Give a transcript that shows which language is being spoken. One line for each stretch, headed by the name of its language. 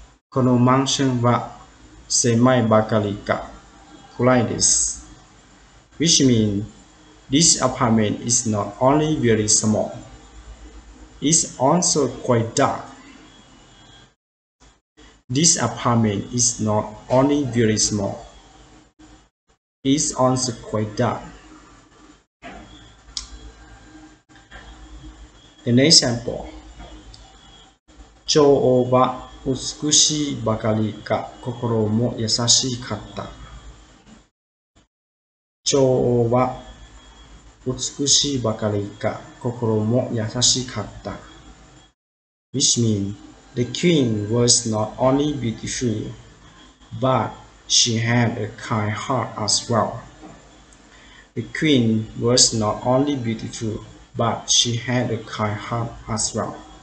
Japanese: このマンションは狭いばかりか。暗いです。
English: Which means this apartment is not only very small, it's also quite dark. This apartment is not only very small, it's also quite dark. The next example.
Japanese: 情報は美しいばかりか、心も優しかった。情報は美しいばかりか、心も優しかった。
English: Which means,The queen was not only beautiful, but she had a kind heart as well. The queen was not only beautiful, but she had a kind heart as well.